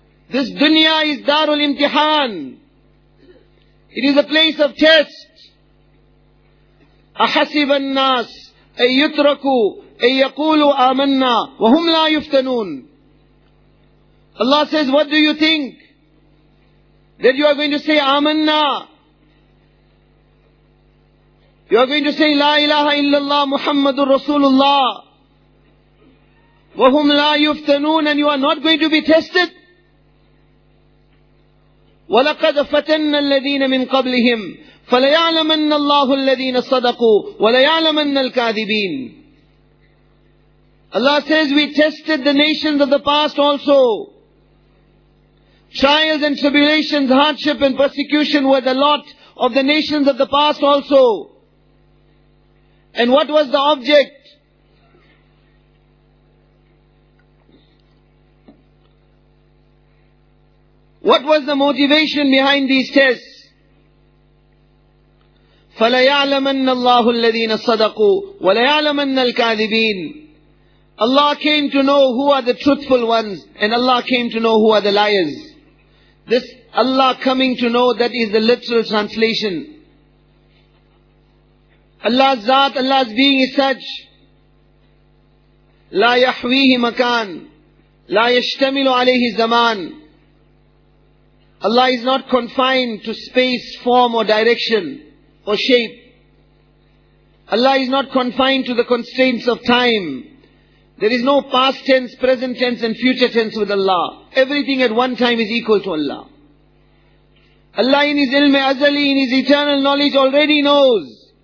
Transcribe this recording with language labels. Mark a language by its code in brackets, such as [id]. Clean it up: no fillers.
[en] This dunya is darul imtihan. It is a place of test. [ar] أَحَسِبَ النَّاسِ أَن يُتْرَكُوا أَن يَقُولُوا آمَنَّا وَهُمْ لَا يُفْتَنُونَ. [en] Allah says, what do you think? That you are going to say آمَنَّا. You are going to say [ar] لا إله إلا الله محمد رسول الله. وَهُمْ لَا يُفْتَنُونَ. [en] And you are not going to be tested. [ar] وَلَقَدْ فَتَنَّ الَّذِينَ مِنْ قَبْلِهِمْ فَلَيَعْلَمَنَّ اللَّهُ الَّذِينَ صَدَقُوا وَلَيَعْلَمَنَّ الْكَاذِبِينَ. [en] Allah says, we tested the nations of the past also. Trials and tribulations, hardship and persecution were the lot of the nations of the past also. And what was the object? What was the motivation behind these tests? [ar] فَلَيَعْلَمَنَّ اللَّهُ الَّذِينَ صَدَقُوا وَلَيَعْلَمَنَّ الْكَاذِبِينَ. [en] Allah came to know who are the truthful ones, and Allah came to know who are the liars. This Allah coming to know, that is the literal translation. Allah's Zat, Allah's being is such, [ar] لَا يَحْوِيهِ مَكَانٍ لَا يَشْتَمِلُ عَلَيْهِ زَمَانٍ. [en] Allah is not confined to space, form or direction or shape. Allah is not confined to the constraints of time, There is no past tense, present tense and future tense with Allah. Everything at one time is equal to Allah. Allah in His ilm-e azali, in His eternal knowledge already knows.